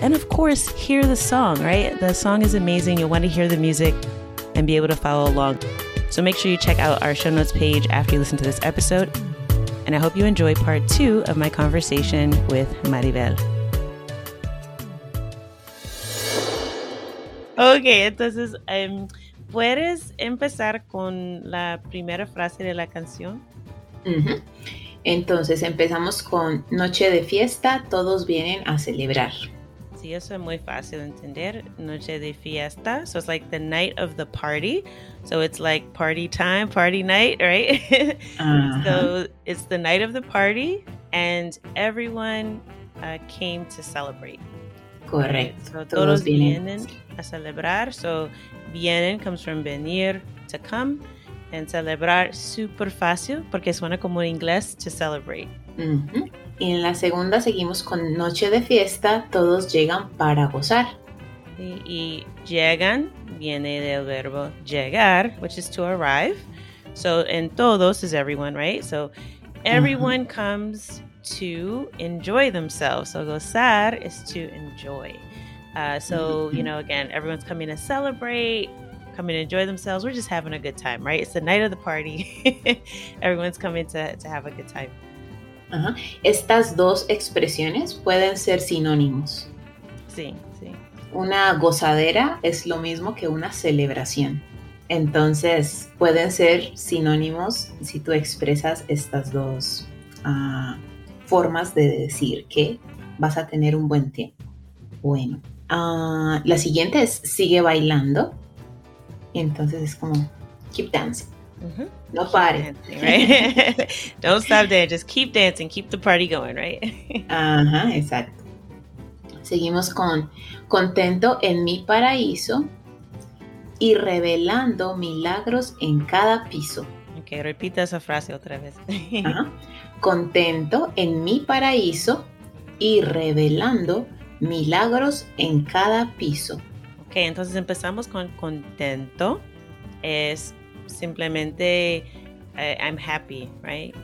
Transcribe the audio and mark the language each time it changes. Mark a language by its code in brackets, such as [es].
[en] And of course, hear the song, right? The song is amazing. You'll want to hear the music and be able to follow along. So make sure you check out our show notes page after you listen to this episode. And I hope you enjoy part two of my conversation with Maribel. [es] Okay, entonces, ¿puedes empezar con la primera frase de la canción? Entonces, empezamos con noche de fiesta, todos vienen a celebrar. Sí, eso es muy fácil de entender. Noche de fiesta. [en] So it's like the night of the party. So it's like party time, party night, right? So it's the night of the party and everyone came to celebrate. [es] Correcto. [en] So [es] todos vienen a celebrar. [en] So vienen comes from venir, to come. [es] And celebrar, super fácil, porque suena como en inglés, [en] to celebrate. [es] Y en la segunda seguimos con noche de fiesta, todos llegan para gozar. Y llegan, viene del verbo llegar, [en] which is to arrive. So en todos is everyone, right? So everyone comes to enjoy themselves. So gozar is to enjoy. So, you know, again, everyone's coming to celebrate, coming to enjoy themselves. We're just having a good time, right? It's the night of the party. Everyone's coming to have a good time. Uh-huh. [es] Estas dos expresiones pueden ser sinónimos. Sí, sí. Una gozadera es lo mismo que una celebración. Entonces, pueden ser sinónimos si tú expresas estas dos formas de decir que vas a tener un buen tiempo. Bueno, la siguiente es sigue bailando. Entonces, es como [en] keep dancing. [es] Mm-hmm. No pare. [en] Right? Don't stop there. Just keep dancing. Keep the party going, right? [es] Ajá, exacto. Seguimos con contento en mi paraíso y revelando milagros en cada piso. Ok, repita esa frase otra vez. Contento en mi paraíso y revelando milagros en cada piso. Ok, entonces empezamos con contento. Es simplemente, [en] I'm happy, right?